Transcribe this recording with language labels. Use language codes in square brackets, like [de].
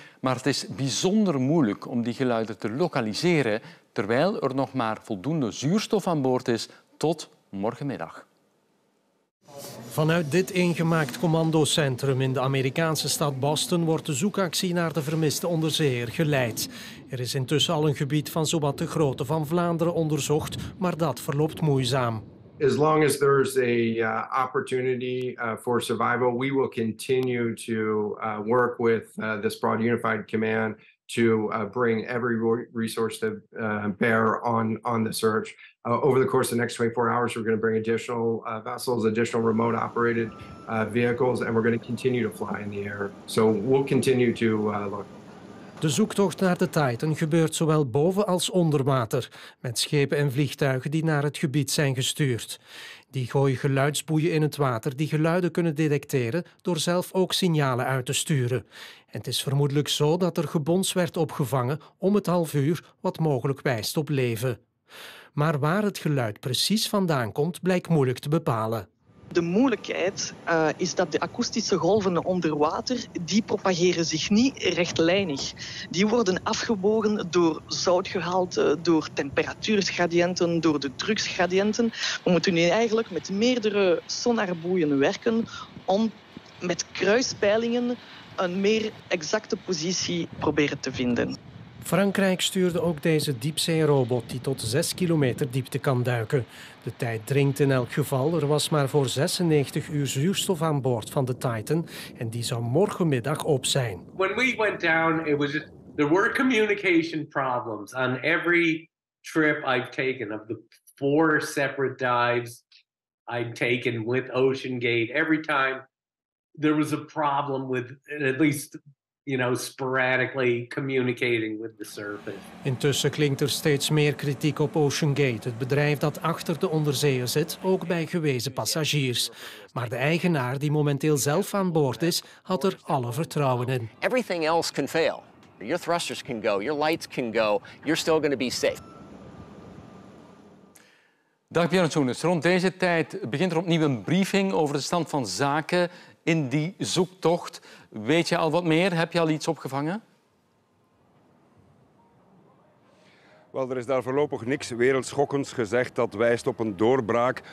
[nl] Maar het is bijzonder moeilijk om die geluiden te lokaliseren terwijl er nog maar voldoende zuurstof aan boord is tot morgenmiddag. Vanuit dit ingemaakt commandocentrum in de Amerikaanse stad Boston wordt de zoekactie naar de vermiste onderzeeër geleid. Er is intussen al een gebied van zowat de grootte van Vlaanderen onderzocht, maar dat verloopt moeizaam. [en] As long as there's a opportunity for survival, we will continue to work with this broad unified command to bring every resource to bear on the search. Over the course of the next 24 hours, we're going to bring additional vessels, additional remote operated vehicles, and we're going to continue to fly in the air. So we'll continue to look. [nl] De zoektocht naar de Titan gebeurt zowel boven als onder water, met schepen en vliegtuigen die naar het gebied zijn gestuurd. Die gooien geluidsboeien in het water die geluiden kunnen detecteren door zelf ook signalen uit te sturen. En het is vermoedelijk zo dat er gebons werd opgevangen om het half uur, wat mogelijk wijst op leven. Maar waar het geluid precies vandaan komt, blijkt moeilijk te bepalen. De moeilijkheid is dat de akoestische golven onder water, die propageren zich niet rechtlijnig. Die worden afgebogen door zoutgehalte, door temperatuurgradiënten, door de drugsgradiënten. We moeten nu eigenlijk met meerdere sonarboeien werken om met kruispeilingen een meer exacte positie proberen te vinden. Frankrijk stuurde ook deze diepzeerobot die tot 6 kilometer diepte kan duiken. De tijd dringt in elk geval. Er was maar voor 96 uur zuurstof aan boord van de Titan en die zou morgenmiddag op zijn. [en] When we went down, it was just, there were communication problems on every trip I've taken of the 4 separate dives I've taken with OceanGate. Every time there was a problem with at least, you know, sporadically communicating with the surface. [nl] Intussen klinkt er steeds meer kritiek op OceanGate, het bedrijf dat achter de onderzeeër zit, ook bij gewezen passagiers. Maar de eigenaar, die momenteel zelf aan boord is, had er alle vertrouwen in. [en] Everything else can fail. Your thrusters can go, your lights can go, you're still going to be safe. [nl] Dag Björn Soenes. Rond deze tijd begint er opnieuw een briefing over de stand van zaken in die zoektocht. Weet je al wat meer? Heb je al iets opgevangen? Wel, er is daar voorlopig niks wereldschokkends gezegd. Dat wijst op een doorbraak.